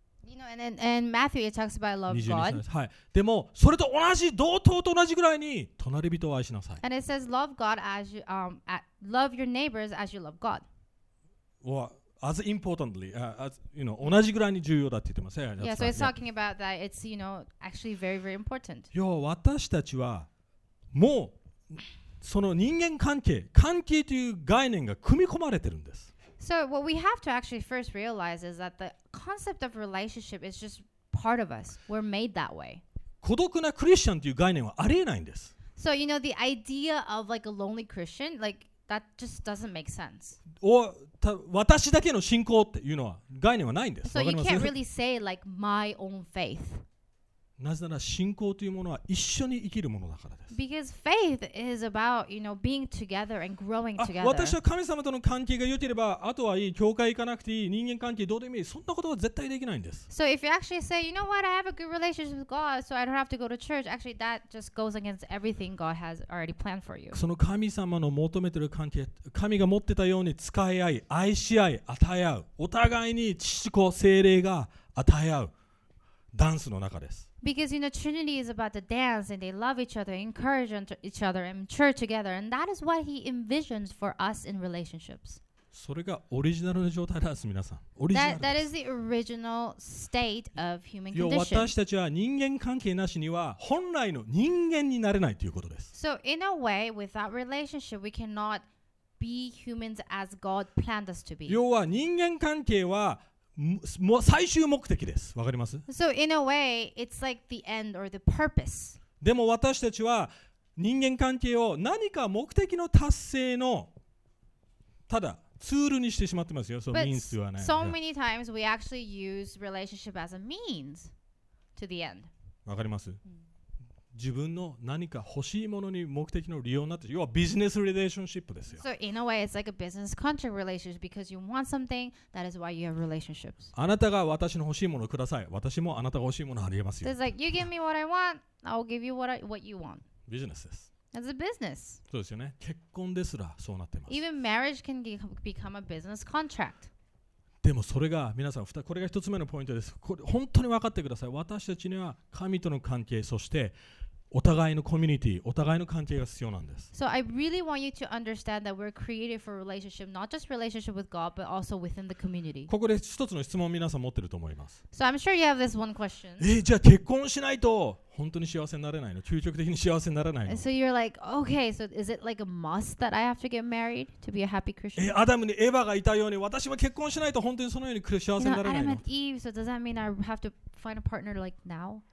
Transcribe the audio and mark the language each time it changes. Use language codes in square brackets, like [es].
[en] You know, and Matthew it talks about love of God. [ja] はい。でもそれと同じ同等と同じぐらいに隣人を愛しなさい。 [en] And it says love God as you love your neighbors as you love God. Well, as importantly, as you know, [ja] 同じぐらいに重要だって言ってます。 [en] Yeah, so it's talking about that. It's you know actually very very important. [ja] 要は私たちはもうその人間関係という概念が組み込まれてるんです。 [en] So what we have to actually first realize is that the concept of relationship is just part of us. We're made that way. [ja] 孤独なクリスチャンという概念はありえないんです。 [en] So you know the idea of like a lonely Christian, like that just doesn't make sense. [ja] Or 私だけの信仰っていうのは概念はないんです。 [en] So you can't really say like my own faith. [ja] なぜなら信仰というものは一緒に生きるものだからです。 [en] Because faith is about, you know, being together and growing together. [ja] 私は神様との関係が良ければ、あとはいい、教会行かなくていい、人間関係どうでもいい、そんなことは絶対できないんです。 [en] So if you actually say, you know what, I have a good relationship with God, so I don't have to go to church, actually that just goes against everything God has already planned for you. [ja] その神様の求めている関係、神が持ってたように使い合い、愛し合い、与え合う、お互いに父子、聖霊が与え合う、ダンスの中です。 [en] Because you know Trinity is about the dance and they love each other, encourage each other, and mature together, and that is what he envisions for us in relationships. [ja] それがオリジナルの状態なんです、皆さん。オリジナル。 [en] That is the original state of human condition. [ja] 私たちは人間関係なしには本来の人間になれないということです。 [en] So in a way, without relationship, we cannot be humans as God planned us to be. [ja] 要は人間関係は最終目的です。わかります？ [en] So in a way, it's like the end or the purpose. [ja] でも私たちは人間関係を何か目的の達成のただツールにしてしまってますよ。その means はね。 [en] So many times we actually use relationship as a means to the end. [ja] わかります？自分の何か欲しいものに目的の利用になって、要はビジネスリレーションシップですよ。 [en] So in a way, it's like a business contract relationship because you want something. That is why you have relationships. [ja] あなたが私の欲しいものをください。私もあなたが欲しいものをあげますよ。 [en] So、it's like you give me what I want, I'll give you what what you want. [ja] ビジネスです。 [en] It's a business. [ja] そうですよね。結婚ですらそうなってます。 [en] Even marriage can become a business contract. [ja] でもそれが皆さん、これが一つ目のポイントです。これ本当に分かってください。私たちには神との関係、そしてお互いのコミュニティ、お互いの関係が必要なんです。 [en] So I really want you to understand that we're created for relationship, not just relationship with God, but also within the community. [ja] ここで一つの質問を皆さん持ってると思います。 [en] So I'm sure you have this one question. [ja] じゃあ結婚しないと本当に幸せになれないの？究極的に幸せになれないの？ [en] So you're like, okay, so is it like a must that I have to get married to be a happy Christian? [ja] アダムにエヴァがいたように私も結婚しないと本当にそのように幸せになれないの？ [en] Adam and Eve, so does that mean I have to find a partner like now?